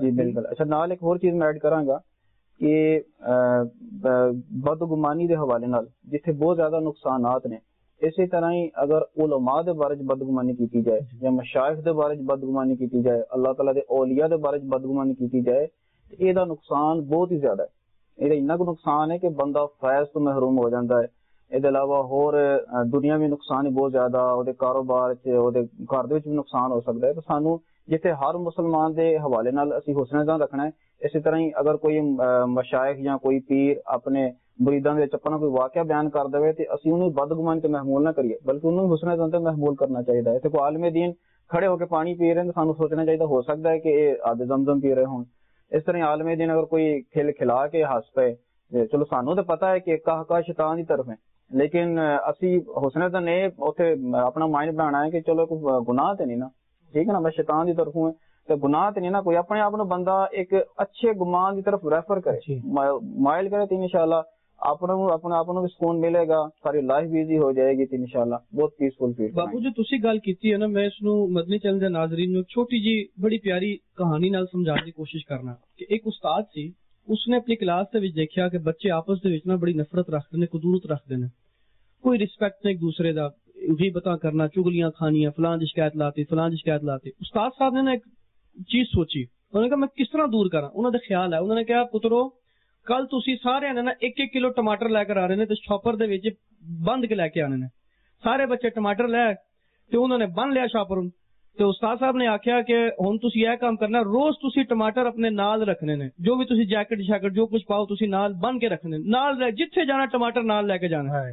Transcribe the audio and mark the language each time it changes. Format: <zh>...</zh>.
<pa>جی بالکل. اچھا نال ایک اور چیز میں ایڈ کراں گا کہ بدگمانی دے حوالے نال جتھے بہت زیادہ نقصانات نے, اسی طرح ہی اگر علماء دے بارے وچ بدگمانی کیتی جائے یا مشائخ دے بارے وچ بدگمانی کیتی جائے, اللہ تعالیٰ دے اولیاء دے بارے وچ بدگمانی کیتی جائے, تے ایہدا نقصان بہت ہی زیادہ ہے. ایہدا اتنا کو نقصان ہے کہ بندہ فیض تو محروم ہو جاندا ہے. ایہدے علاوہ ہور دنیا وی نقصان ہی بہت زیادہ, اوہدے کاروبار وچ اوہدے گھر دے وچ وی نقصان ہو سکدا ہے. تے سانوں جتھے ہر مسلمان دے حوالے نال اسی حسن زاں رکھنا ہے, اسی طرح ہی اگر کوئی مشائخ یا کوئی پیر اپنے مریداں دے چپنا کوئی واقعہ بیان کر دے تے اسی انہوں نے بدگمانی تے محمول نہ کریے, بلکہ انہوں نے حسن زاں تے محمول کرنا چاہیے. ایتھے کوئی عالم دین کھڑے ہو کے پانی پی رہے ہیں تو سانوں سوچنا چاہیے, ہو سکتا ہے کہ آد زمزم پی رہے ہوں. اس طرح عالم دین اگر کوئی کھل کھلا کے ہس پے, چلو سانوں تو پتا ہے کہ کہا شیطان دی طرف ہے, لیکن اسی حسن زاں نے اوتھے اپنا مائنڈ بنانا ہے کہ چلو کوئی گناہ تے نہیں نا, ٹھیک ہے نا, میں شیطان دی طرف ہوں تو گناہ تے نہیں نا کوئی.</pa> <ur>اپنے آپ بندہ ایک اچھے گمان دی طرف ریفر کرے, مائل کرے تو انشاءاللہ اپنے آپ بھی سکون ملے گا, ساری لائف بھی ایزی ہو جائے گی انشاءاللہ, بہت پیسفل فیل.</ur> <pa>بابو جو تسی گل کیتی ہے نا, میں اس نو مدنی چینل دے ناظرین نو چھوٹی جی بڑی پیاری کہانی نال سمجھانے دی کوشش کرنا کہ ایک استاد سی, اس نے اپنی کلاس دے وچ دیکھا کہ بچے آپس دے وچ نا بڑی نفرت رکھدے نے, قدورت رکھدے نے, کوئی ریسپیکٹ نہیں ایک دوسرے دا, غیبت کرنا, چگلیاں کھانیا, فلاں دی شکایت لاتی, فلاں دی شکایت لاتی. استاد صاحب نے ایک چیز سوچی, انہوں نے کہا میں کس طرح دور کراں. انہوں نے خیال ہے, انہوں نے کہا پترو کل تسی سارے نے نا ایک ایک کلو ٹماٹر لے کر آ رہے ہیں, شاپر دے وچ بند کے لے کے آنے نے, سارے بچے ٹماٹر لے تے انہوں نے بند لیا شاپر. تو استاد صاحب نے آخیا کہ ہن تسی یہ کام کرنا, روز تسی ٹماٹر اپنے نال رکھنے نے, جو بھی تسی جیکٹ شاکٹ جو کچھ پاؤ تسی نال بن کے رکھنے, نال جتھے جانا ٹماٹر نال لے کے جانا.</pa>